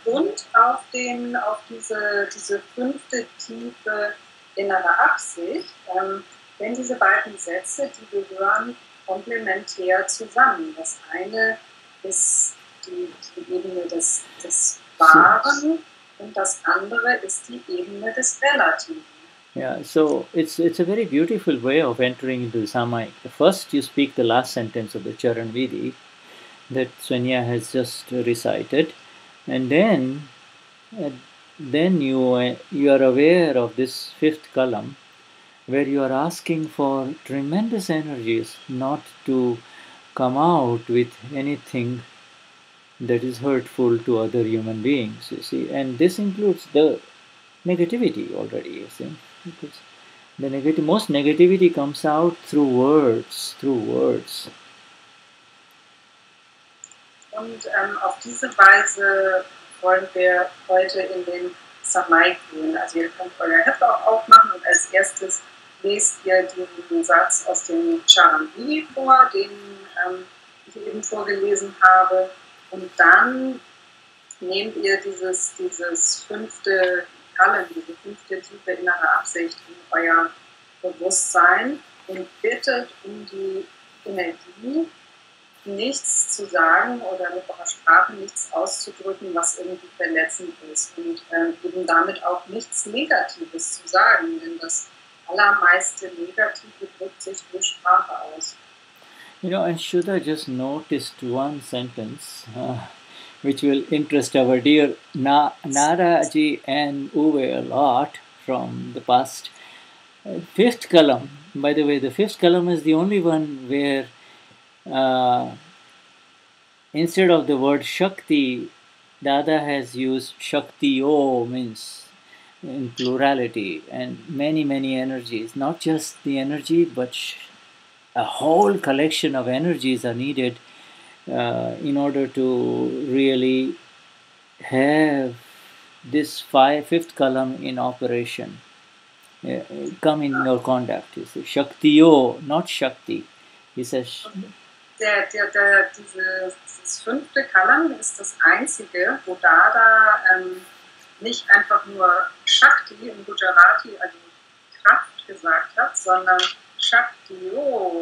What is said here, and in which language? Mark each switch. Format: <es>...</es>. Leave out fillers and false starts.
<de>Und auf diese fünfte tiefe innere Absicht, wenn diese beiden Sätze, die wir hören, komplementär zusammen. Das eine ist die Ebene des Wahren, und das andere ist die Ebene des Relativen.</de> <en>Yeah, so it's a very beautiful way of entering into the Samayik. First you speak the last sentence of the Charanvidhi that Swenya has just recited, and then you are aware of this fifth column where you are asking for tremendous energies not to come out with anything that is hurtful to other human beings, you see. And this includes the negativity already, you see. Because the most negativity comes out through words.</en> <de>Und auf diese Weise wollen wir heute in den Samayik gehen. Also ihr könnt euer Heft auch aufmachen und als erstes lest ihr den Satz aus dem Charanvidhi vor, den ich eben vorgelesen habe. Und dann nehmt ihr dieses fünfte Kalim, diese fünfte tiefe innere Absicht in euer Bewusstsein und bittet um die Energie, nichts zu sagen oder mit eurer Sprache nichts auszudrücken, was irgendwie verletzend ist. Und eben damit auch nichts Negatives zu sagen, denn das allermeiste Negative drückt sich durch Sprache aus.</de> <en>You know, and Shuddha just noticed one sentence which will interest our dear Naraji and Uwe a lot from the past. Fifth column, by the way, the fifth column is the only one where instead of the word Shakti, Dada has used Shaktiyo, means in plurality, and many, many energies. Not just the energy, but a whole collection of energies are needed in order to really have this fifth column in operation, come in your conduct. You see, Shaktiyo, not Shakti. He says,</en> <de>Das fünfte Kalam ist das einzige, wo Dada nicht einfach nur Shakti in Gujarati, also Kraft, gesagt hat, sondern Shaktiyo.</de>